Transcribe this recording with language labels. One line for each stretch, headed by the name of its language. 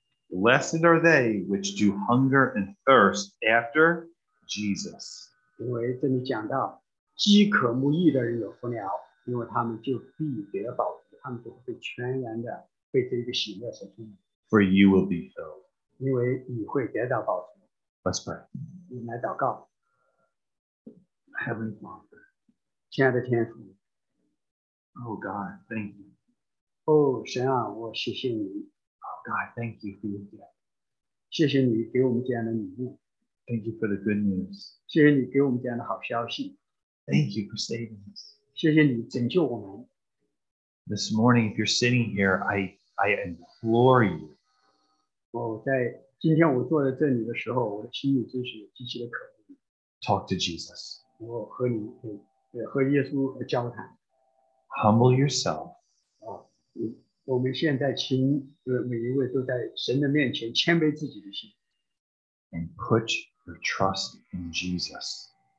English: Blessed are they which do hunger and thirst after Jesus.
Chinese: 因为这里讲到饥渴慕义的人有福了，因为他们就必得饱足，他们就会被全然的被这个喜乐所充满。
English: For you will be filled.
Chinese: 因为你会得到饱足。
English: Let's pray.
Chinese: 你来祷告。
English: Heavenly Father.
Chinese: 亲爱的天父。
English: Oh God, thank you.
Chinese: Oh, 神啊，我谢谢你。
English: Oh God, thank you for your gift.
Chinese: 谢谢你给我们这样的礼物。
English: Thank you for the good news.
Chinese: 谢谢你给我们这样的好消息。
English: Thank you for saving us.
Chinese: 谢谢你拯救我们。
English: This morning, if you're sitting here, I implore you.
Chinese: 我在今天我坐在这里的时候，我的心里就是极其的渴慕。
English: Talk to Jesus.
Chinese: 我和耶稣交谈。
English: Humble yourself.
Chinese: 我们现在请每一位都在神的面前谦卑自己的心。
English: And put your trust in Jesus.